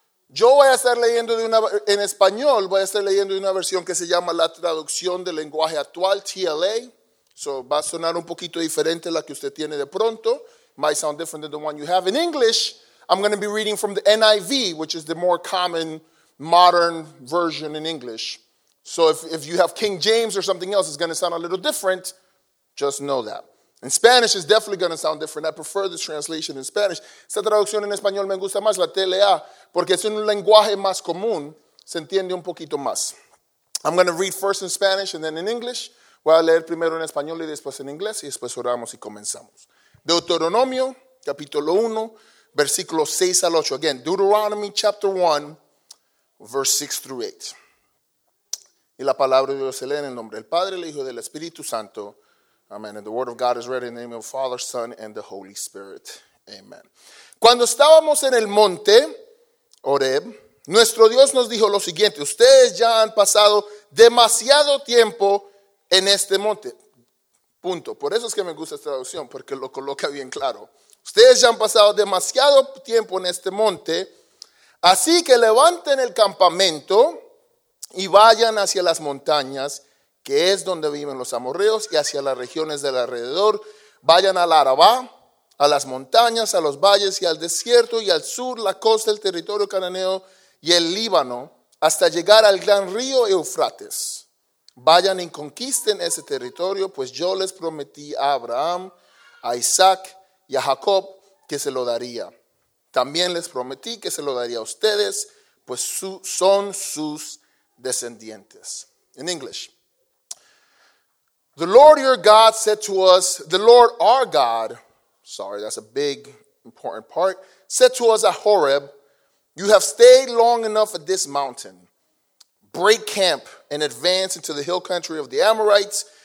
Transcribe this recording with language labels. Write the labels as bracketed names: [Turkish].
[Spanish] Yo voy a estar leyendo en español, voy a estar leyendo de una versión que se llama la traducción del lenguaje actual, TLA. So va a sonar un poquito diferente la que usted tiene de pronto. [English] Might sound different than the one you have. In English, I'm going to be reading from the NIV, which is the more common modern version in English. So if you have King James or something else, it's going to sound a little different. Just know that. In Spanish, it's definitely going to sound different. I prefer this translation in Spanish. [Spanish] Esta traducción en español me gusta más, la TLA, porque es un lenguaje más común, se entiende un poquito más. [English] I'm going to read first in Spanish and then in English. [Spanish] Voy a leer primero en español y después en inglés, y después oramos y comenzamos. Deuteronomio, capítulo 1, versículos 6 al 8. [English] Again, Deuteronomy, chapter 1, verse 6 through 8. [Spanish] Y la palabra de Dios se lee en el nombre del Padre, el Hijo y del Espíritu Santo. [English] Amen. And the word of God is read in the name of the Father, Son, and the Holy Spirit. Amen. [Spanish] Cuando estábamos en el monte Horeb, nuestro Dios nos dijo lo siguiente. Ustedes ya han pasado demasiado tiempo en este monte. Punto. Por eso es que me gusta esta traducción, porque lo coloca bien claro. Ustedes ya han pasado demasiado tiempo en este monte. Así que levanten el campamento y vayan hacia las montañas, que es donde viven los amorreos, y hacia las regiones del alrededor. Vayan al Arabá, a las montañas, a los valles y al desierto, y al sur, la costa, el territorio cananeo y el Líbano, hasta llegar al gran río Eufrates. Vayan y conquisten ese territorio, pues yo les prometí a Abraham, a Isaac y a Jacob que se lo daría. También les prometí que se lo daría a ustedes, pues son sus descendientes. [English] In English. The Lord your God said to us, the Lord our God, sorry, that's a big important part, said to us at Horeb, you have stayed long enough at this mountain. Break camp and advance into the hill country of the Amorites.